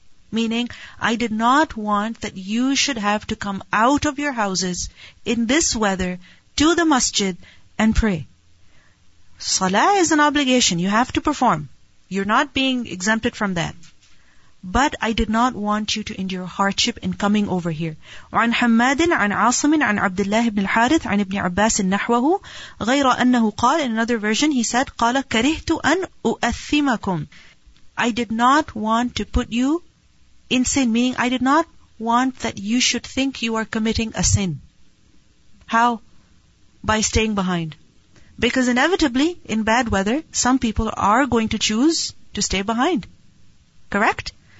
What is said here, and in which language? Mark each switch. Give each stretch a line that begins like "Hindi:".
English: Meaning, I did not want that you should have to come out of your houses in this weather to the masjid and pray. Salah is an obligation. You have to perform. You're not being exempted from that. But I did not want you to endure hardship in coming over here.
Arabic: عن حماد عن عاصم عن عبد الله بن الحارث عن ابن عباس نحوه غير أنه قال.
English: In another version, he said,
Arabic: قال كرهت أن أؤثمكم.
English: I did not want to put you in sin, meaning I did not want that you should think you are committing a sin. How? By staying behind. Because inevitably, in bad weather, some people are going to choose to stay behind. Correct?